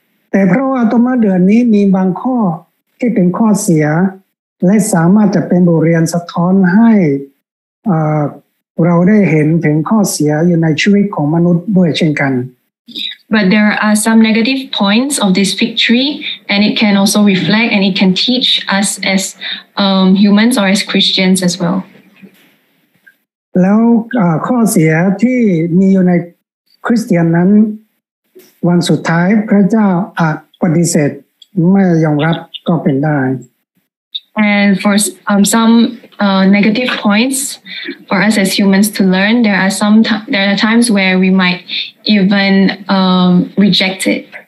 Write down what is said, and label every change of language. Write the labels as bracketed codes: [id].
[th] แต่เพราะว่าต้นมะเดื่อนี้มีบางข้อที่เป็นข้อเสียและสามารถจะเป็นบทเรียนสะท้อนให้เราได้เห็นถึงข้อเสียอยู่ในชีวิตของมนุษย์ด้วยเช่นกัน [en] But there are some negative points of this fig tree and it can also reflect and it can teach us as humans or as Christians as well [th] แล้วข้อเสียที่มีอยู่ในคริสเตียนนั้นวันสุดท้ายพระเจ้าอาจปฏิเสธไม่ยอมรับก็เป็นได้ [en] And for some negative points for us as humans to learn, there are some there are times where we might even reject it.